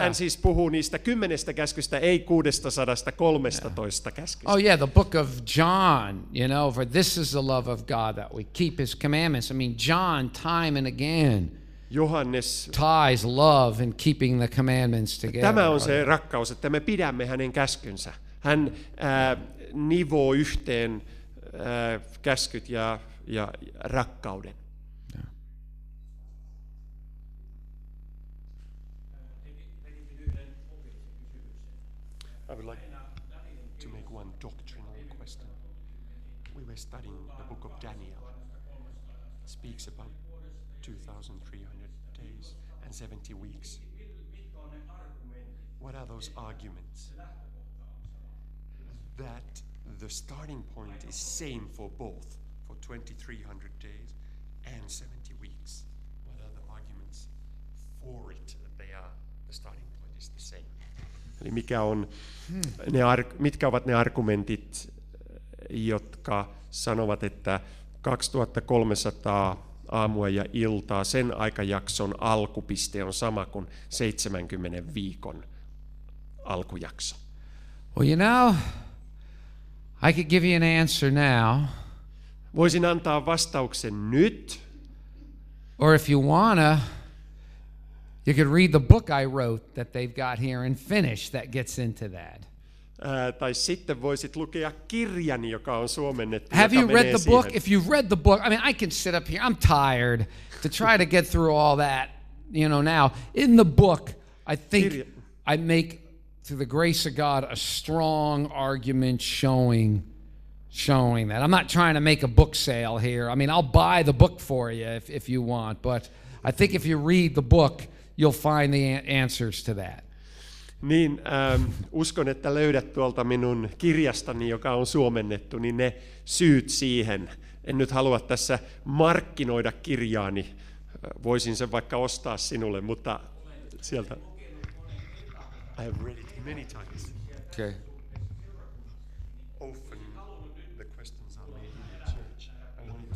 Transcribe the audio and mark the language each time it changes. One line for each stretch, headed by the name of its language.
Finnish: Hän siis puhuu niistä 10 käskystä, ei 613 käskystä.
English: Oh yeah, the book of John, you know, for this is the love of God, that we keep his commandments. I mean, John, time and again,
Finnish: Johannes,
English: ties love in keeping the commandments together.
Finnish: Tämä on se rakkaus, että me pidämme hänen käskynsä. Hän nivoo yhteen käskyt ja rakkauden.
English: I would like to make one doctrinal question. We were studying the book of Daniel. It speaks about 2,300 days and 70 weeks. What are those arguments? That the starting point is same for both, for 2,300 days and 70 weeks. What are the arguments for it? They are, the starting point is the same.
Finnish: Eli mikä on ne mitkä ovat ne argumentit, jotka sanovat, että 2300 aamua ja iltaa, sen aikajakson alkupiste on sama kuin 70 viikon alkujakso?
English: Well, you know, I could give you an answer now.
Finnish: Voisin antaa vastauksen nyt.
English: Or if you wanna, you could read the book I wrote that they've got here in Finnish that gets into that.
Finnish: Tai sitten voisit lukea kirjani, joka on suomennettu.
English: Have you read the book?
Finnish: Siihen.
English: If you've read the book, I mean, I can sit up here. I'm tired to try to get through all that, you know, now. In the book, I think I make, through the grace of God, a strong argument showing that. I'm not trying to make a book sale here. I mean, I'll buy the book for you if you want. But I think if you read the book, you'll find the answers to that.
Finnish: Niin, uskon, että löydät tuolta minun kirjastani, joka on suomennettu, niin ne syyt siihen. En nyt halua tässä markkinoida kirjaani. Voisin sen vaikka ostaa sinulle, mutta sieltä.
English: I have read it many times. Okay. Often the questions are made in the church. I want to